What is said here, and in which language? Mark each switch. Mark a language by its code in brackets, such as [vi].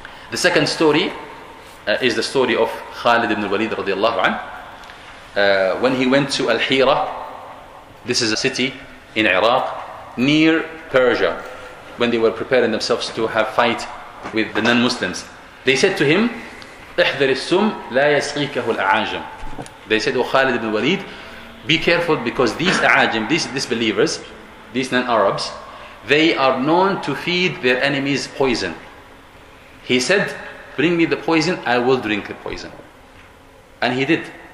[en] The second story is the story of Khalid ibn al-Walid radiallahu anhu. When he went to Al-Hira, this is a city in Iraq, near Persia. when they were preparing themselves to have fight with the non-Muslims. They said to him, [ar] احذر السم لا يسقيكه الأعاجم. [en] They said, oh Khalid ibn Walid, be careful, because these A'ajim, these disbelievers, these non-Arabs, they are known to feed their enemies poison. He said, bring me the poison, I will drink the poison. And he did.